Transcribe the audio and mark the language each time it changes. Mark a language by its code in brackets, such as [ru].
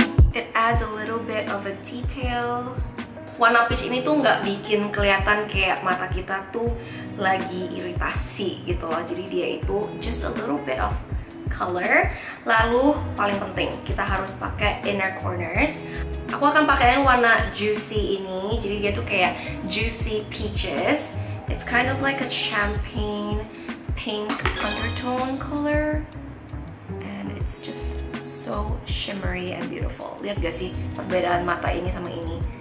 [en] It adds a little bit of a detail. [id] Warna peach ini tuh nggak bikin kelihatan kayak mata kita tuh lagi iritasi gitu loh. Jadi dia itu [en] just a little bit of color. [id] Lalu paling penting, kita harus pakai inner corners. Aku akan pakai warna juicy ini. Jadi dia tuh kayak juicy peaches. [en] It's kind of like a champagne pink undertone color. And it's just so shimmery and beautiful. [id] Lihat gak sih perbedaan mata ini sama ini?